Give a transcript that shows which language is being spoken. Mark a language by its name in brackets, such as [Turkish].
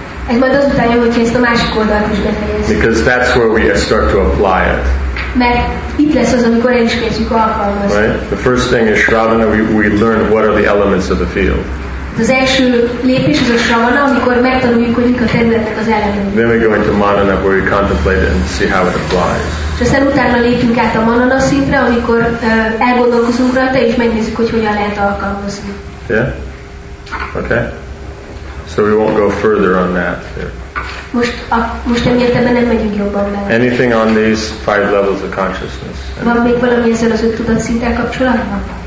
[Hungarian] Ez majd azután jó, hogyha ezt a másik oldalt is befejezzük. [English] Because that's where we start to apply it. [Hungarian] Mert itt lesz az, amikor el is kezdjük alkalmazni. [English] Right? The first thing is shravana, we learn what are the elements of the field. [Hungarian] Az első lépés az a shravana, amikor megtanuljuk, hogy mik a területnek az elemei. [English] Then we go into manana, where we contemplate it and see how it applies. [Hungarian] És aztán utána lépünk át a manana szintre, amikor elgondolkozunk rajta, és megnézzük, hogy hogyan lehet alkalmazni. [English] Yeah? Okay? So we won't go further on that here. [Hungarian] Most emiatt ebben nem megyünk jobban bele. [English] Anything on these five levels of consciousness? [Hungarian] Van még valami ezzel az öt tudatszinttel kapcsolatban?